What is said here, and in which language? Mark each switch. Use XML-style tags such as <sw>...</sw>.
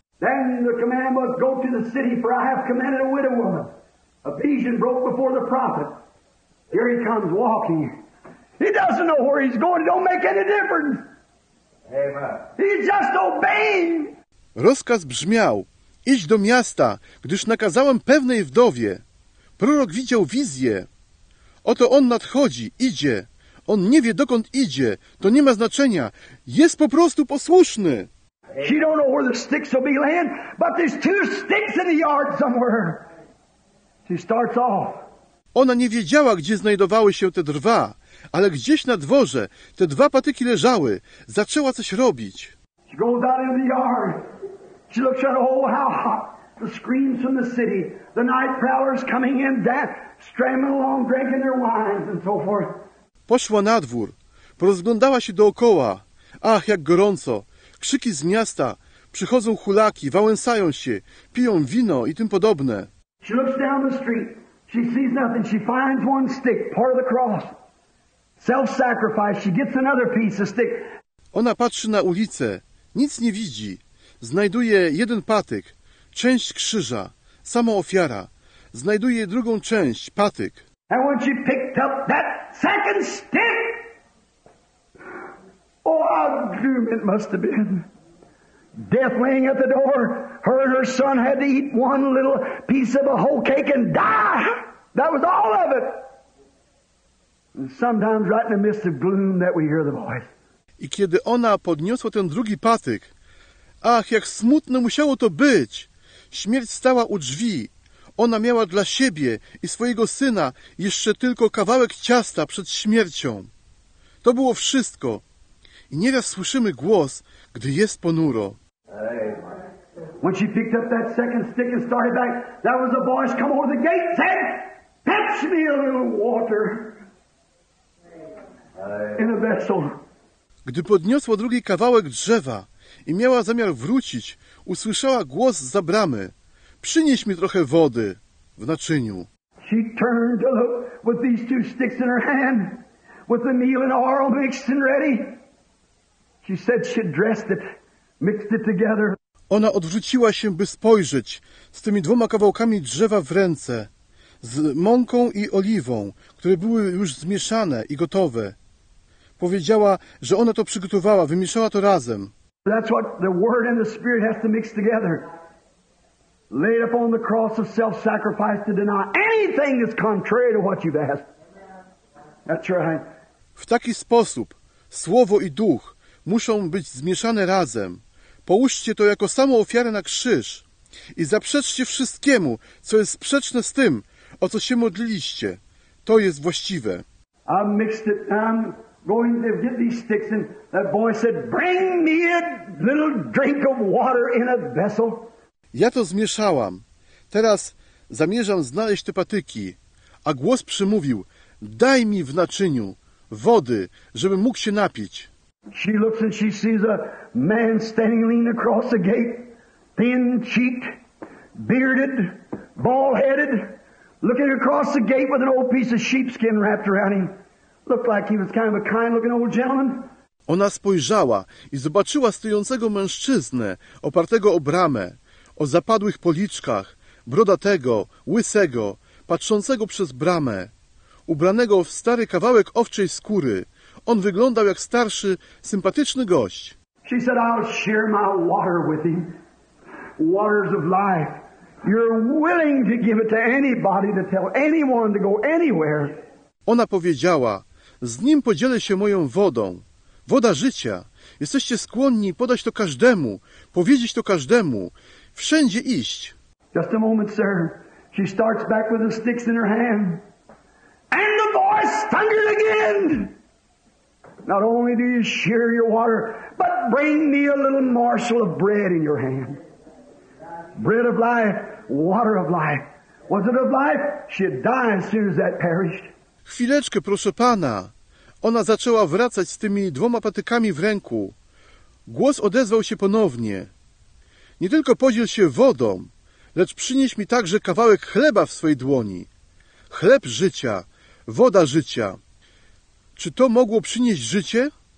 <en>Then the command must go to the city, for I have commanded a widow woman. A vision broke before the prophet. Here he comes walking. He doesn't know where he's going. It don't make any difference. Amen. He's just obeying.</en> <pl>Rozkaz brzmiał, idź do miasta, gdyż nakazałem pewnej wdowie. Prorok widział wizję. Oto on nadchodzi, idzie. On nie wie, dokąd idzie. To nie ma znaczenia. Jest po prostu posłuszny.</pl> <en>She don't know where the sticks will be laying, but there's two sticks in the yard somewhere. She starts off.</en> <pl>Ona nie wiedziała, gdzie znajdowały się te drwa, ale gdzieś na dworze te dwa patyki leżały. Zaczęła coś robić.</pl> <en>She goes out in the yard. She looks at, oh, how hot. The screams from the city. The night prowlers coming in, death, stramming along, drinking their wines and so forth.</en> <pl>Poszła na dwór. Porozglądała się dookoła. Ach, jak gorąco. Krzyki z miasta. Przychodzą hulaki, wałęsają się, piją wino i tym podobne.</pl> <en>She looks down the street. She sees nothing. She finds one stick, part of the cross. Self-sacrifice. She gets another piece of stick.</en> <pl>Ona patrzy na ulicę. Nic nie widzi. Znajduje jeden patyk. Część krzyża. Sama ofiara. Znajduje drugą część, patyk.</pl> <en>And when she picked up that second stick, oh, how grim it must have been. Death laying at the door. Her and her son had to eat one little piece of a whole cake and die. That was all of it. And sometimes right in the midst of gloom that we hear the voice.</en> <pl>I kiedy ona podniosła ten drugi patyk, ach, jak smutne musiało to być. Śmierć stała u drzwi. Ona miała dla siebie i swojego syna jeszcze tylko kawałek ciasta przed śmiercią. To było wszystko. I nieraz słyszymy głos, gdy jest ponuro.</pl> <en>When she picked up that second stick and started back, that was a voice come over the gate and said, fetch me a little water in a vessel.</en> <pl>Gdy podniosła drugi kawałek drzewa i miała zamiar wrócić, usłyszała głos zza bramy. Przynieś mi trochę wody w naczyniu.</pl> <en>She turned to look with these two sticks in her hand, with the meal and oil mixed and ready. She said she dressed it, mixed it together.</en> <pl>Ona odwróciła się, by spojrzeć z tymi dwoma kawałkami drzewa w ręce, z mąką i oliwą, które były już zmieszane i gotowe. Powiedziała, że ona to przygotowała, wymieszała to razem.</pl> <en>That's what the Word and the Spirit has to mix together. Laid upon the cross of self-sacrifice to deny anything that's contrary to what you've asked. That's right.</en> <pl>W taki sposób Słowo i Duch muszą być zmieszane razem. Połóżcie to jako samą ofiarę na krzyż i zaprzeczcie wszystkiemu, co jest sprzeczne z tym, o co się modliliście. To jest właściwe.</pl> <en>I've mixed it. I'm going to get these sticks, and that boy said, bring me a little drink of water in a vessel.</en> <pl>Ja to zmieszałam. Teraz zamierzam znaleźć te patyki. A głos przemówił, daj mi w naczyniu wody, żebym mógł się napić.</pl> <en>She looks and she sees a man standing leaning across the gate, thin-cheeked, bearded, bald-headed, looking across the gate with an old piece of sheepskin wrapped around him. Looked like he was kind of a kind-looking old gentleman.</en> <pl>Ona spojrzała i zobaczyła stojącego mężczyznę opartego o bramę, o zapadłych policzkach, brodatego, łysego, patrzącego przez bramę, ubranego w stary kawałek owczej skóry. On wyglądał jak starszy, sympatyczny gość.</pl> <en>She said, I'll share my water with him. Waters of life. You're willing to give it to anybody, to tell anyone to go anywhere.</en> <pl>Ona powiedziała, z nim podzielę się moją wodą. Woda życia. Jesteście skłonni podać to każdemu, powiedzieć to każdemu, wszędzie iść.</pl> <en>Just a moment, sir. She starts back with the sticks in her hand. And the voice thundered again. Not only do you share your water, but bring me a little morsel of bread in your hand. Bread of life, water of life. Was it of life? She'd die as soon as that perished.</en> <pl>Chwileczkę, proszę pana. Ona zaczęła wracać z tymi dwoma patykami w ręku. Głos odezwał się ponownie. Nie tylko podziel się wodą, lecz przynieś mi także kawałek chleba w swojej dłoni. Chleb życia, woda życia. Czy to mogło przynieść życie?</pl>